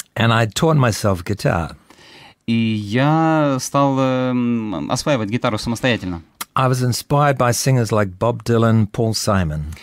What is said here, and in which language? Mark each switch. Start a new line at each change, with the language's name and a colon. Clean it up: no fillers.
English: And I taught myself guitar.
Russian: И я стал осваивать гитару самостоятельно.
English: I was inspired by singers like Bob Dylan, Paul Simon.